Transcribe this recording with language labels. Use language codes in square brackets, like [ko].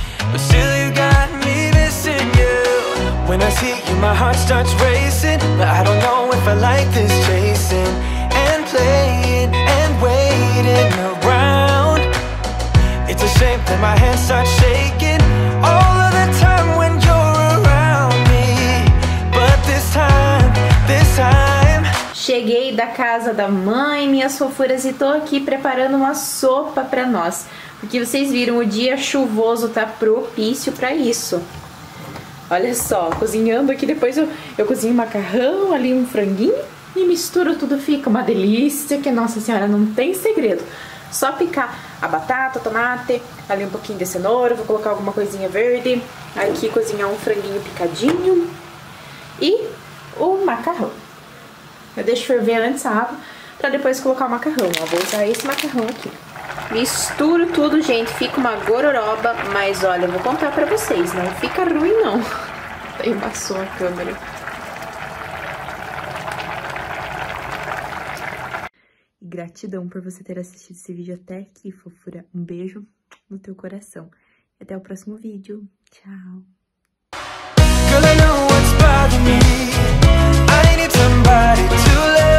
[en] But still you got me missing you. When I see you, my heart starts racing, but I don't know if I like this chasing and playing and waiting around. It's a shame that my hands start shaking all of the time when you're around me. But this time, this time. [pt] Cheguei da casa da mãe, minhas fofuras, e tô aqui preparando uma sopa pra nós. Porque vocês viram, o dia chuvoso tá propício pra isso. Olha só, cozinhando aqui, depois eu cozinho macarrão, ali um franguinho e misturo tudo, fica uma delícia, que Nossa Senhora, não tem segredo. Só picar a batata, tomate, ali um pouquinho de cenoura, vou colocar alguma coisinha verde. Aqui cozinhar um franguinho picadinho e o macarrão. Eu deixo ferver antes a água pra depois colocar o macarrão. Ó, vou usar esse macarrão aqui. Misturo tudo, gente, fica uma gororoba, mas olha, eu vou contar pra vocês, não fica ruim não. Embaçou a câmera. Gratidão por você ter assistido esse vídeo até aqui, fofura. Um beijo no teu coração. Até o próximo vídeo. Tchau. [en] Girl, I know what's bothering me. I need somebody to love.